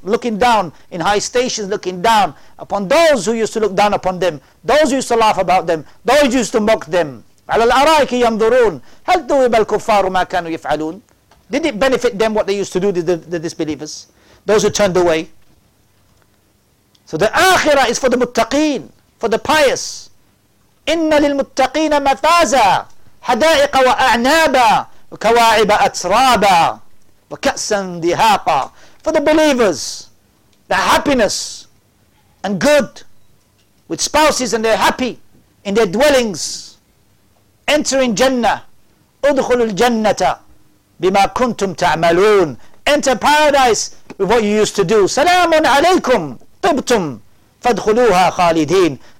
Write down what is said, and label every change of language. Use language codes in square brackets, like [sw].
[en] Looking down in high stations, looking down upon those who used to look down upon them, those who used to laugh about them, those who used to mock them. [ar] عَلَى الْأَرَائِكِ يَنْظُرُونَ. هَلْ ثُوِبَ الْكُفَّارُ مَا كَانُوا يَفْعَلُونَ. [en] Did it benefit them what they used to do, the disbelievers? Those who turned away. So the akhirah is for the muttaqeen, for the pious. [ar] إِنَّ لِلْمُتَّقِينَ مَفَازًا. حدائق وأعنابا وكواعب أترابا وكأسا ذهاقا. [en] For the believers, their happiness and good with spouses, and they're happy in their dwellings, entering Jannah. [ar] أدخلوا الجنة بما كنتم تعملون. [en] Enter paradise with what you used to do. [ar] سلام عليكم طبتم فادخلوها خالدين.